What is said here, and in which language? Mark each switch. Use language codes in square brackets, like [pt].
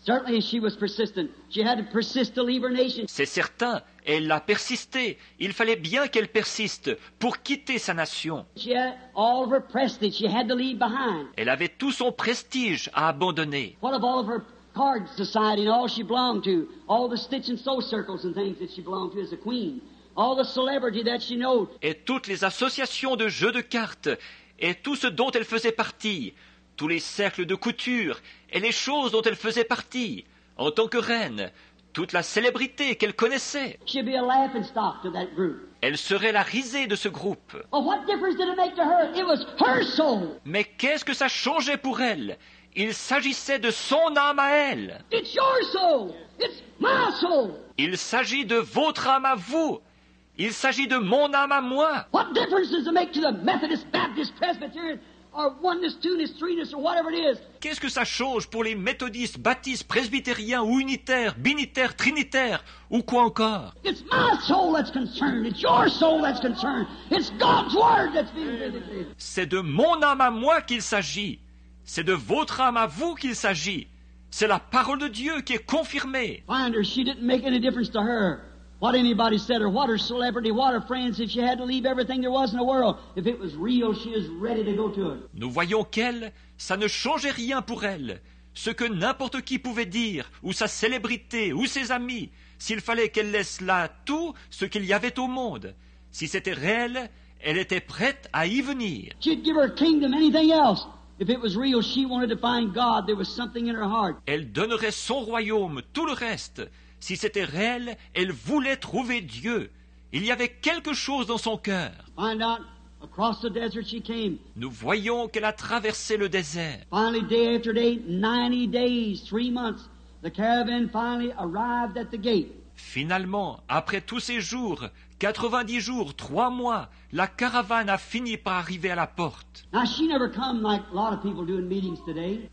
[en] Certainly she was persistent. She had to persist to leave her nation. [fr] C'est certain, elle a persisté. Il fallait bien qu'elle persiste pour quitter sa nation. [en] She had all of her prestige she had to leave behind. [fr] Elle avait tout son prestige à abandonner. [en] What of all of her card society and all she belonged to, all the stitch and sew circles and things that she belonged to as a queen, all the celebrity that she knew. [fr] Et toutes les associations de jeux de cartes et tout ce dont elle faisait partie, tous les cercles de couture et les choses dont elle faisait partie, en tant que reine, toute la célébrité qu'elle connaissait. [en] She'd be a laughingstock to that group. [fr] Elle serait la risée de ce groupe. [en] Well, what difference did it make to her? It was her soul. [fr] Mais qu'est-ce que ça changeait pour elle? Il s'agissait de son âme à elle. [en] It's your soul. It's my soul. [fr] Il s'agit de votre âme à vous. Il s'agit de mon âme à moi. [en] What difference does it make to the Methodist, Baptist, Presbyterian? Or oneness, two-ness, three-ness, or whatever it is. [fr] Qu'est-ce que ça change pour les méthodistes, baptistes, presbytériens, ou unitaires, binitaires, trinitaires, ou quoi encore? [en] It's my soul that's concerned. It's your soul that's concerned. It's God's word that's being vindicated. [fr] C'est de mon âme à moi qu'il s'agit. C'est de votre âme à vous qu'il s'agit. C'est la parole de Dieu qui est confirmée. [en] Find her. She didn't make any difference to her. What anybody said or what her celebrity, what her friends, if she had to leave everything there was in the world, if it was real, she is ready to go to it. [fr] Nous voyons qu'elle, ça ne changeait rien pour elle. Ce que n'importe qui pouvait dire, ou sa célébrité, ou ses amis, s'il fallait qu'elle laisse là tout ce qu'il y avait au monde. Si c'était réel, elle était prête à y venir. [en] She'd give her kingdom anything else. If it was real, she wanted to find God. There was something in her heart. [fr] Elle donnerait son royaume, tout le reste. Si c'était réel, elle voulait trouver Dieu. Il y avait quelque chose dans son cœur. [en] Find out, across the desert she came. [fr] Nous voyons qu'elle a traversé le désert. [en] Finally, day after day, 90 days, 3 months, the caravan finally arrived at the gate. [fr] Finalement, après tous ces jours, 90 jours, 3 mois, la caravane a fini par arriver à la porte. [en] Now, she never come like a lot of people do in meetings today.